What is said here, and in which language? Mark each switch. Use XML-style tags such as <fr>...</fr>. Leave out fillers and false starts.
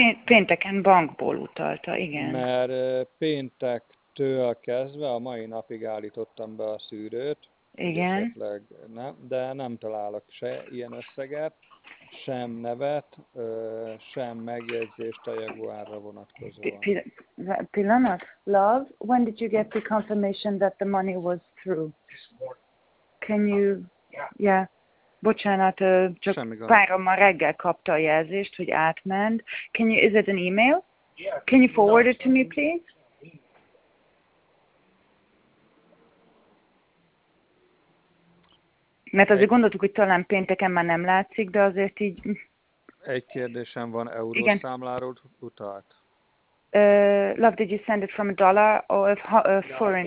<hu>Pénteken bankból utalta, igen. Mert péntektől kezdve a mai napig állítottam be a szűrőt, hogy Igen. esetleg nem, de nem találok se ilyen összeget, sem nevet, sem megjegyzést a Jaguarra vonatkozóan. Pillanat,</hu> <en>love, when did you get the confirmation that the money was through? Can you, yeah,</en> <hu>bocsánat, csak Semmi gond. Párom ma reggel kapta a jelzést, hogy átment.</hu> <en>Can you, is it an email? Yeah. Can you forward it to me, please?</en> <hu>Mert azért gondoltuk, hogy talán pénteken már nem látszik, de azért így... Egy kérdésem van, Igen. Számláról utalt?</hu> <en>Love, did you send it from a dollar or a foreign</en>